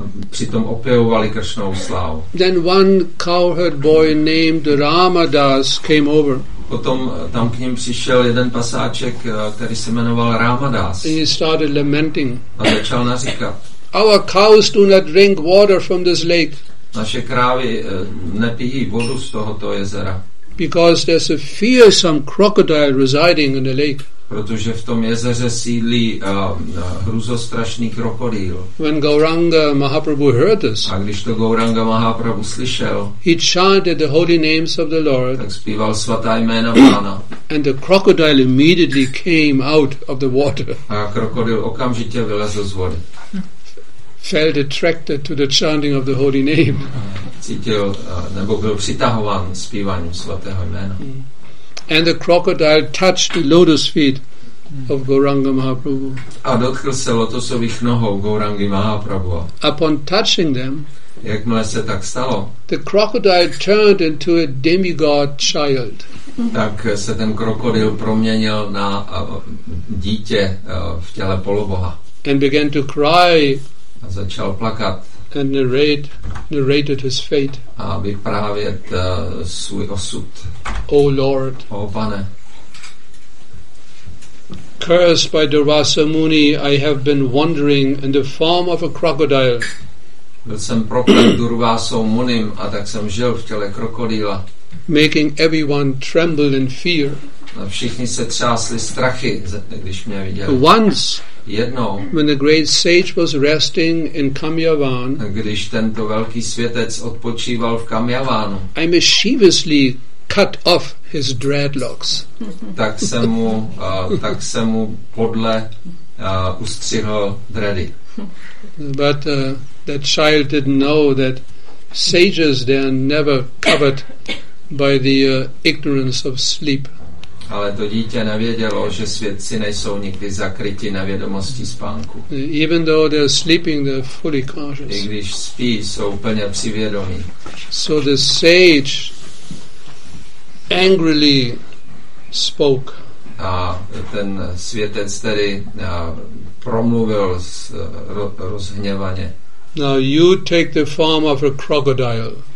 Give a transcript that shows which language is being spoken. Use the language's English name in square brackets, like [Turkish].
[Czech] Přitom opěvovali Kršnou slávu. [English] Then one cowherd boy named Ramadas came over. [Czech] Potom tam k ním přišel jeden pasáček, který se jmenoval Ramadas. [English] And he started lamenting. [Czech] A začal naříkat. [English] Our cows do not drink water from this lake. [Czech] Naše krávy nepijí vodu z tohoto jezera. [English] Because there's a fearsome crocodile residing in the lake. [Czech] Protože v tom jezeře sídlí hruzostrašný krokodýl. [English] When Gauranga Mahaprabhu heard this, [Czech] a když to Gauranga Mahaprabhu slyšel, [English] he chanted the holy names of the Lord, [Czech] tak zpíval svatá jména Pána. [English] And the crocodile immediately came out of the water. [Czech] A krokodýl okamžitě vylezl z vody. [English] Felt attracted to the chanting of the holy name. [Czech] Cítil, nebo byl přitahován zpíváním svatého jména. Mm. [English] And the crocodile touched the lotus feet of Gauranga Mahaprabhu. [Czech] A dotkl se lotosových nohou Gaurangi Mahaprabhu. [English] Upon touching them, [Czech] jakmile se tak stalo, [English] the crocodile turned into a demigod child. [Czech] Tak se ten krokodil proměnil na dítě v těle poloboha. [English] And began to cry. [Czech] A začal plakat. [English] And narrated his fate. [Czech] A vyprávět svůj osud. [English] O Lord. [Czech] O Pane. [English] Cursed by Durvasa Muni, I have been wandering in the form of a crocodile. [Czech] Byl jsem proklet Durvasou Munim a tak jsem žil v těle krokodýla. [English] Making everyone tremble in fear. [Czech] A všichni se třásli strachy, když mě viděli. [English] Once. [Czech] Jednou, [English] when the great sage was resting in Kamyavan, [Czech] když tento velký světec odpočíval v Kamyavanu, [English] I mischievously cut off his dreadlocks. [Czech] tak se mu podle ustřihl dready. [English] But that child didn't know that sages they are never covered by the ignorance of sleep. [Czech] Ale to dítě nevědělo, že svědci nejsou nikdy zakryti nevědomostí spánku. [English] Even though they are sleeping, they are fully conscious. [Czech] I když spí, jsou úplně při vědomí. [English] So the sage angrily spoke. [Czech] A ten světec tedy promluvil rozhněvaně. [English] Now you take the form of a crocodile.